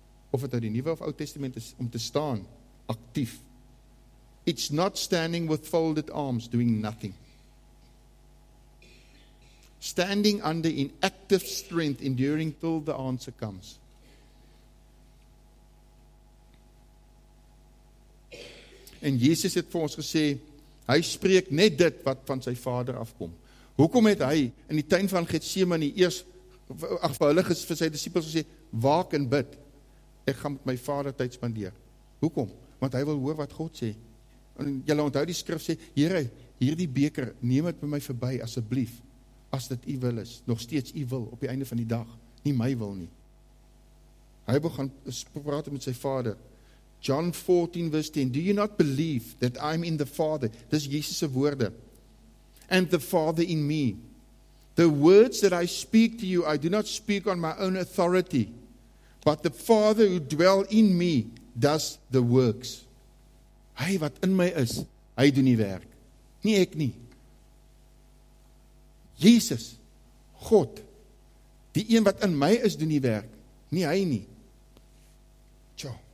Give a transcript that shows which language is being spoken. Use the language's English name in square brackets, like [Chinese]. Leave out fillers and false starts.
[Afrikaans] Of het uit die Nuwe of Oud Testament is om te staan, actief. [English] It's not standing with folded arms, doing nothing. Standing under in active strength, enduring till the answer comes. [Afrikaans] En Jesus het vir ons gesê, hy spreek net dit wat van sy vader afkom. Hoekom het hy in die tuin van Getsemane eers, ach, vir hulle, vir sy disciples gesê, waak en bid, ek gaan met my vader tyd spandeer. Hoekom? Want hy wil hoor wat God sê. En julle onthou die skrif sê, Here, hier die beker, neem het by my verby, asseblief, as dit u wil is, nog steeds u wil, op die einde van die dag, nie my wil nie. Hy begin praat met sy vader, [English] John 14 verse 10, do you not believe that I am in the Father? [Afrikaans] Dis Jesus' woorde. [English] And the Father in me. The words that I speak to you, I do not speak on my own authority. But the Father who dwell in me does the works. [Afrikaans] Hy wat in my is, hy doen die werk. Nie ek nie. Jesus, God, die een wat in my is, doen die werk. Nie hy nie. Tja.